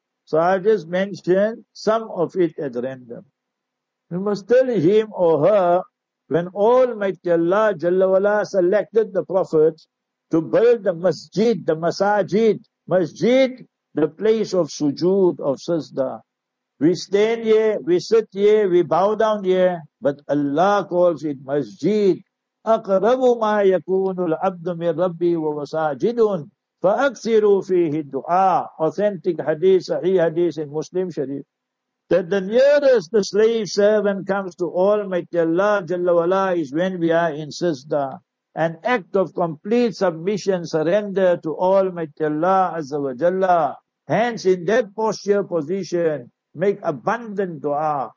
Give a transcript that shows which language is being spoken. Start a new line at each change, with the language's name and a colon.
English: So I just mentioned some of it at random. You must tell him or her, when Almighty Allah Jalla Wala selected the Prophet to build the masjid, the masajid, masjid, the place of sujood, of sajda. We stand here, we sit here, we bow down here, but Allah calls it masjid.
Arabic: أَقْرَبُ مَا يَكُونُ الْعَبْدُ مِنْ رَبِّي وَوَسَاجِدٌ فَأَكْثِرُوا فِيهِ الدُّعَاءِ.
English: Authentic hadith, sahih hadith in Muslim Sharif. That the nearest the slave servant comes to Almighty Allah Jalla Wala is when we are in sajda. An act of complete submission, surrender to Almighty Allah Azza wa Jalla. Hence, in that posture, position, make abundant dua.